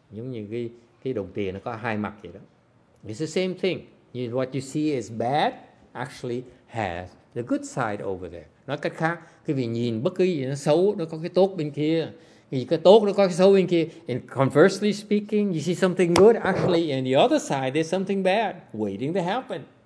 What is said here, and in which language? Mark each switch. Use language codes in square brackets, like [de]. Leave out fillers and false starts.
[vi] Giống như cái đồng tiền nó có hai mặt vậy đó. [en] It's the same thing. What you see is bad actually has the good side over there. [vi] Nói cách khác, cái vì nhìn bất cứ gì nó xấu, nó có cái tốt bên kia. Cái gì cái tốt, nó có cái xấu bên kia. [en] And conversely speaking, you see something good actually in the other side, there's something bad waiting to happen.